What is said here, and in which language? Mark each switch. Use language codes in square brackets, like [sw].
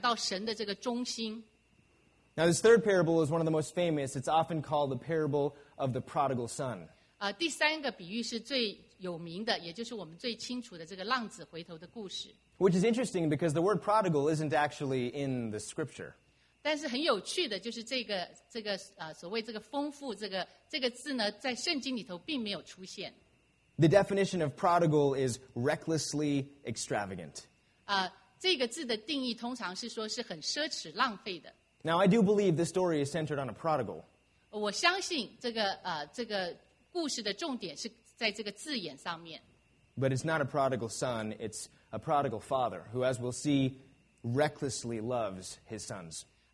[zh] 这几个故事的主题就是我们讲的福音，而是这个讲到神的这个中心。 [en] Now this third parable is one of the most famous. It's often called the parable of the prodigal son. [zh] 第三个比喻是最有名的，也就是我们最清楚的这个浪子回头的故事。 [en] Which is interesting because the word prodigal isn't actually in the scripture. [zh] 但是很有趣的就是这个所谓这个丰富这个字呢，在圣经里头并没有出现。 [en] The definition of prodigal is recklessly extravagant. [zh] 这个字的定义通常是说是很奢侈浪费的。 [en] Now I do believe this story is centered on a prodigal. [zh] 我相信这个故事的重点是在这个字眼上面。 [en] But it's not a prodigal son, it's a prodigal father who, as we'll see, recklessly loves his sons.